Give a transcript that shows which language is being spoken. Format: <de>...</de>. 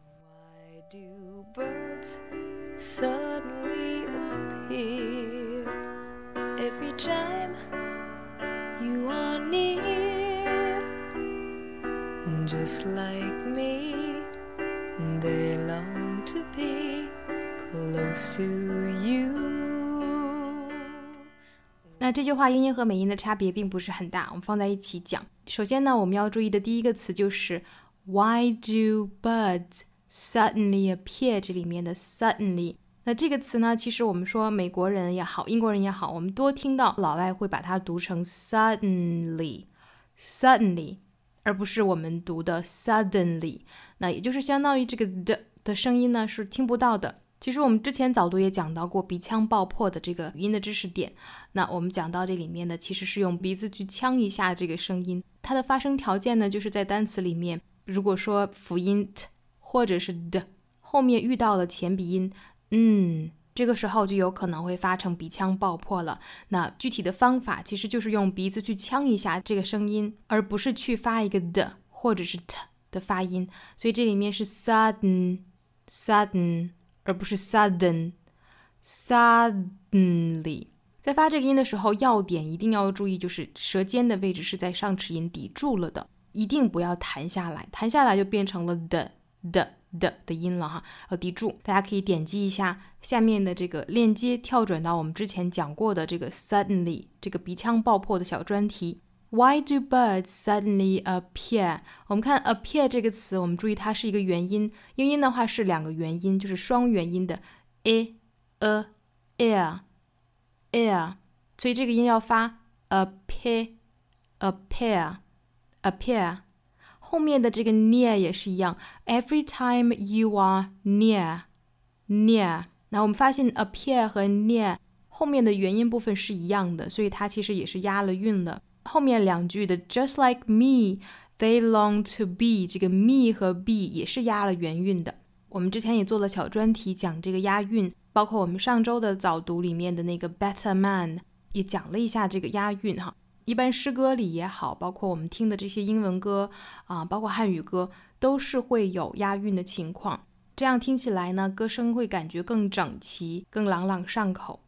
<en>Why do birds suddenly appear every time you are near? Just like me, they long to beClose to you.</en> <zh>那这句话英音和美音的差别并不是很大，我们放在一起讲。首先呢，我们要注意的第一个词就是</zh> <en>Why do birds suddenly appear?</en> <zh>这里面的 suddenly。那这个词呢，其实我们说美国人也好，英国人也好，我们多听到老外会把它读成 suddenly, suddenly, 而不是我们读的 suddenly。那也就是相当于这个 的声音呢是听不到的。其实我们之前早读也讲到过鼻腔爆破的这个语音的知识点，那我们讲到这里面呢，其实是用鼻子去呛一下这个声音，它的发声条件呢，就是在单词里面，如果说辅音 t 或者是 d 后面遇到了前鼻音，嗯，这个时候就有可能会发成鼻腔爆破了。那具体的方法其实就是用鼻子去呛一下这个声音，而不是去发一个 d 或者是 t 的发音，所以这里面是 sudden sudden。而不是 sudden, suddenly. 在发这个音的时候，要点一定要注意，就是舌尖的位置是在上齿龈抵住了的，一定不要弹下来，弹下来就变成了 的音了哈，抵住。大家可以点击一下下面的这个链接，跳转到我们之前讲过的这个 suddenly, 这个鼻腔爆破的小专题。</zh> <en>Why do birds suddenly appear?</en> <zh>我们看 appear 这个词，我们注意它是一个元音，英音的话是两个元音，就是双元音的 a, a, air, air, 所以这个音要发 appear, appear, appear. 后面的这个 near 也是一样，</zh> <en>every time you are near, near.</en> <zh>那我们发现 appear 和 near 后面的元音部分是一样的，所以它其实也是押了韵的。后面两句的</zh> <en>Just like me, they long to be,</en> <zh>这个 me 和 be 也是押了元韵的。我们之前也做了小专题讲这个押韵，包括我们上周的早读里面的那个 Better Man 也讲了一下这个押韵哈。一般诗歌里也好，包括我们听的这些英文歌啊，包括汉语歌，都是会有押韵的情况，这样听起来呢，歌声会感觉更整齐，更朗朗上口。</zh>